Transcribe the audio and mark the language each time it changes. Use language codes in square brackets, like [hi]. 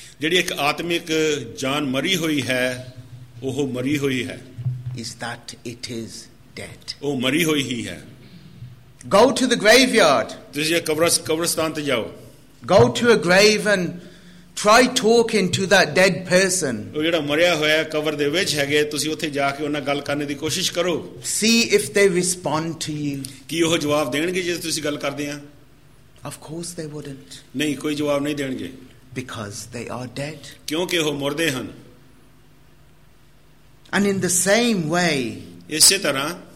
[pa] Jehdi ek aatmik jaan mari hui hai, oh mari hui hai. [en] Is that it is dead. [pa] Oh mari hui hi hai. [en] Go to the graveyard. [pa] Tusi ek kabristan te jao. [en] Go to a grave and try talking to that dead person. [pa] ਉਹ ਜਿਹੜਾ ਮਰਿਆ ਹੋਇਆ ਕਬਰ ਦੇ ਵਿੱਚ ਹੈਗੇ ਤੁਸੀਂ ਉੱਥੇ ਜਾ ਕੇ ਉਹਨਾਂ ਗੱਲ ਕਰਨ ਦੀ ਕੋਸ਼ਿਸ਼ ਕਰੋ. [en] See if they respond to you. [pa] ਕੀ ਉਹ ਜਵਾਬ ਦੇਣਗੇ ਜੇ ਤੁਸੀਂ ਗੱਲ ਕਰਦੇ ਆ? [en] Of course they wouldn't. [pa] ਨਹੀਂ, ਕੋਈ ਜਵਾਬ ਨਹੀਂ ਦੇਣਗੇ. [en] Because they are dead. [pa] ਕਿਉਂਕਿ ਉਹ ਮਰਦੇ ਹਨ. [en] And in the same way, [pa] ਇਸੇ ਤਰ੍ਹਾਂ